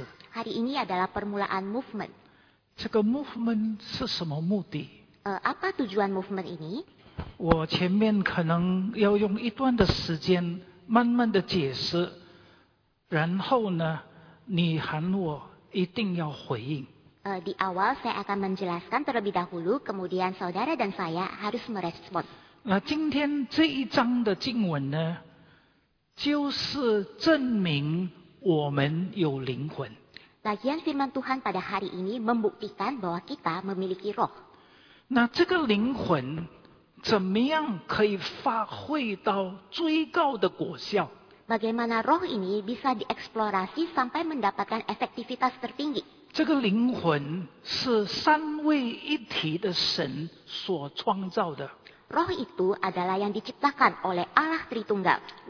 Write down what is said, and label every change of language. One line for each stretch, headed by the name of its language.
Indonesian: Hari ini adalah permulaan movement.
Chinese: 这个 movement 是什么目的?
Indonesian: Apa tujuan movement ini?
Chinese: 我前面可能要用一段的时间慢慢的解释, 然后呢, 你喊我一定要回应。
Indonesian: Di awal saya akan menjelaskan terlebih dahulu, kemudian saudara dan saya harus merespon.
Chinese: Nah, 今天这一章的经文呢, 就是证明我们有灵魂。
Indonesian: Bagian firman Tuhan pada hari ini membuktikan bahwa kita memiliki roh.
Chinese: Nah, 这个灵魂怎么样可以发挥到最高的果效?
Indonesian: Bagaimana roh ini bisa dieksplorasi sampai mendapatkan efektivitas tertinggi?
Chinese: 这个灵魂是三位一体的神所创造的。
Indonesian: Roh itu adalah yang diciptakan oleh Allah Tritunggal.